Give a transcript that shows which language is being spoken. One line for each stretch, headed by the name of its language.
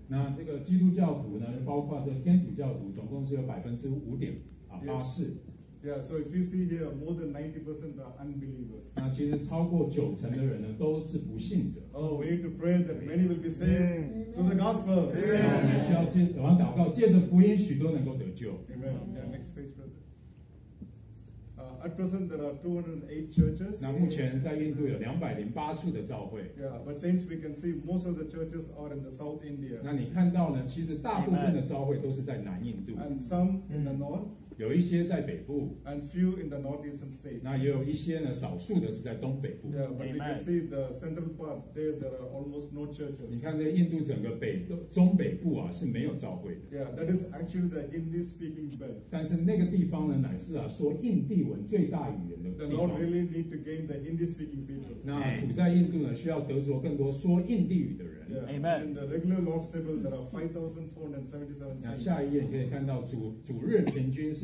Chinese: 那这个基督教徒呢，包括这天主教徒，总共是有5.84%。
English: Yeah, so if you see here, more than 90% are unbelievers.
Chinese: 那其实超过90%的人呢，都是不信者。
English: Oh, we need to pray that many will be saved through the gospel. Amen.
Chinese: 我们需要祷告，借着福音，许多能够得救。
English: Amen. Yeah, next page, brother. At present, there are 208 churches.
Chinese: 那目前在印度有208处的教会。
English: Yeah, but since we can see most of the churches are in the South India.
Chinese: 那你看到呢，其实大部分的教会都是在南印度。
English: And some in the North.
Chinese: 有一些在北部，
English: and few in the northeastern states.
Chinese: 那也有一些呢，少数的是在东北部。
English: Yeah, but we can see the central part there are almost no churches.
Chinese: 你看在印度整个中北部啊是没有教会的。
English: Yeah, that is actually the Hindi speaking belt.
Chinese: 但是那个地方呢，乃是啊说印地文最大语言的地方。
English: The Lord really need to gain the Hindi speaking people.
Chinese: 那主在印度呢，需要得着更多说印地语的人。
English: Yeah, in the regular Lord's table, there are 5,477.
Chinese: 那下一页可以看到主日平均是